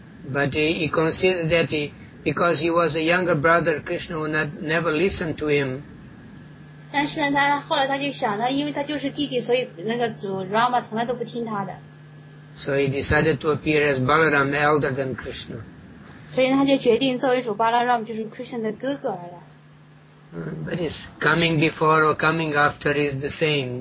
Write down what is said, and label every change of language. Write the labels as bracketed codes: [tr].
[en] But he considered that because he was a younger brother, Krishna would never listen to him. [zh] 但是呢，他后来他就想呢，因为他就是弟弟，所以那个主 Rama 从来都不听他的。 [en] So he decided to appear as Balarama, elder than Krishna. [zh] 所以他就决定作为主 Balarama 就是 Krishna 的哥哥来了。 [en] But it's coming before or coming after is the same.